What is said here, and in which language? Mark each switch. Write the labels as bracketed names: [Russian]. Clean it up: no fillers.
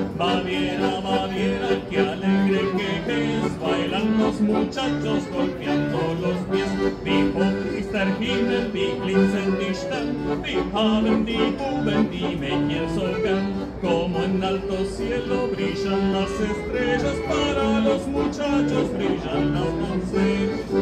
[Spanish] Baviera, Baviera, que alegre que es, bailan los muchachos golpeando los pies. [German] Wie hoch ist der Himmel, wie glitzen die Sterne, wie haben die Buben, die Mädchen so gern. [Spanish] Como en alto cielo brillan las estrellas, para los muchachos brillan las doncellas.